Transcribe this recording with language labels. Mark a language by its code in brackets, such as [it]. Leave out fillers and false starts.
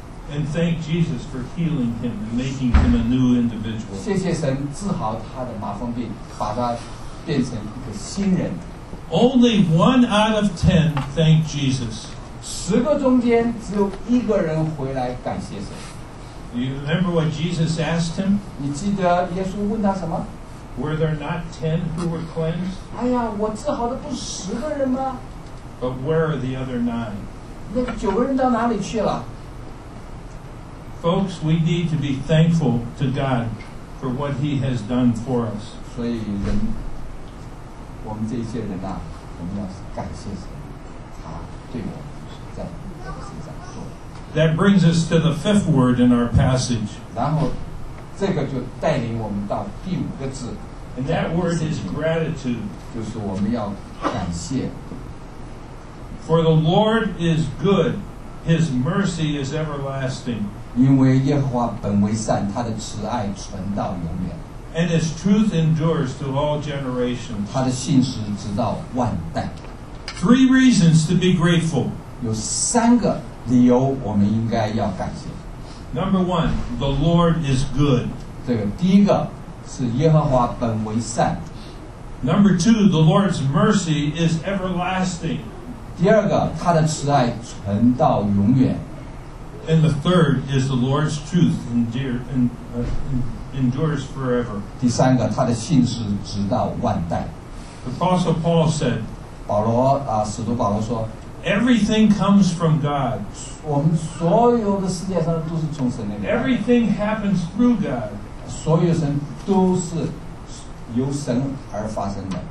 [en] And thanked Jesus for healing him and making him a new individual. [zh] 谢谢神治好他的麻风病，把他变成一个新人。 [en] Only one out of ten thanked Jesus. [zh] 十个中间只有一个人回来感谢神。 [en] Do you remember what Jesus asked him? [zh] 你记得耶稣问他什么？ [en] Were there not 10 who were cleansed? [zh] 哎呀，我治好的不是十个人吗？ [en] But where are the other 9? [zh] 那九个人到哪里去了？ [en] Folks, we need to be thankful to God for what he has done for us. [zh] 所以人，我们这些人啊，我们要感谢神，他对我在我们身上做。 [en] That brings us to the 5th word in our passage. [zh] 然后这个就带领我们到第五个字。 [en] And that word is gratitude. [zh] 就是我们要感谢。 [en] For the Lord is good, his mercy is everlasting. [zh] 因为耶和华本为善，他的慈爱存到永远。 [en] And his truth endures to all generations. [zh] 他的信实直到万代。 [en] Three reasons to be grateful. [zh] 有三个理由我们应该要感谢。 [en] Number one, the Lord is good. [zh] 这个第一个是耶和华本为善。 [en] Number two, the Lord's mercy is everlasting. [zh] 第二个，他的慈爱存到永远。 [en] And the third is the Lord's truth endures forever. [zh] 第三个，他的信实直到万代。 [en] The Apostle Paul said, [zh] 保罗啊，使徒保罗说。 [en] Everything comes from God. [zh] 我们所有的世界上都是从神来的。 [en] Everything happens through God. [zh] 所有神都是由神而发生的。